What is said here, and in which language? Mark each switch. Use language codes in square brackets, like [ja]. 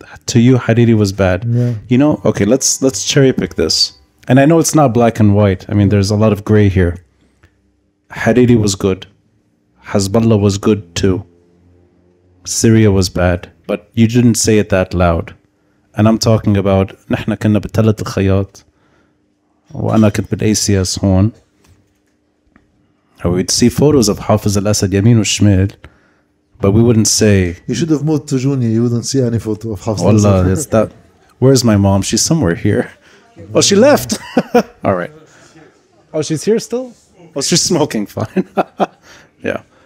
[en] To you, Hariri was bad. Yeah. You know, okay, let's cherry pick this. And I know it's not black and white. I mean, there's a lot of gray here. Hariri was good. Hezbollah was good too. Syria was bad. But you didn't say it that loud. And I'm talking about [ar] نحن كنا بتلت الخيات وأنا كنت بالACS هون. [en] We'd see photos of Hafez al-Assad [ar] يمين وشمال. [en] But we wouldn't say... You should have moved to Junie. You wouldn't see any photo of Hafez al-Assad. It's that. Where's my mom? She's somewhere here. Oh, she left. All right. Oh, she's here still? Oh, she's smoking. Fine. Yeah.